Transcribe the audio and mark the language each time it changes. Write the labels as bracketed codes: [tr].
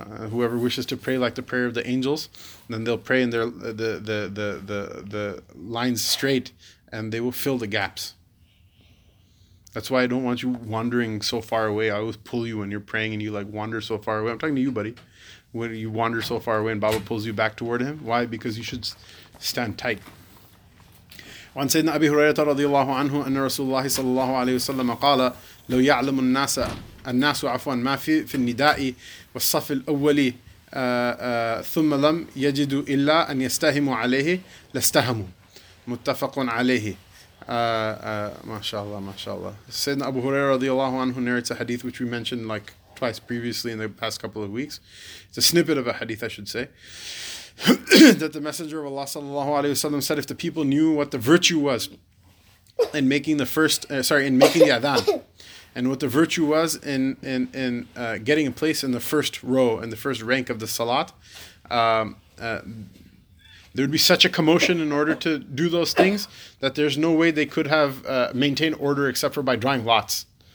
[en] Whoever wishes to pray like the prayer of the angels, then they'll pray in the lines straight and they will fill the gaps. That's why I don't want you wandering so far away. I always pull you when you're praying and you like wander so far away. I'm talking to you, buddy. When you wander so far away and Baba pulls you back toward him. Why? Because you should stand tight. [ar] وعن سيدنا أبي هريرة رضي الله عنه أن رسول الله صلى الله عليه وسلم قال لو يعلم الناس عفوا ما في النداء والصف الأول ثم لم يجدوا إلا أن يستهموا عليه لاستهموا متفق عليه. Mashallah, mashallah. [en] Sayyidina Abu Hurairah radiallahu anhu narrates a hadith which we mentioned like twice previously in the past couple of weeks. It's a snippet of a hadith, I should say. That the Messenger of Allah sallallahu alayhi wa sallam said, if the people knew what the virtue was in making the first, in making the adhan, and what the virtue was in getting a place in the first row, in the first rank of the salat, there would be such a commotion in order to do those things that there's no way they could have maintained order except for by drawing lots.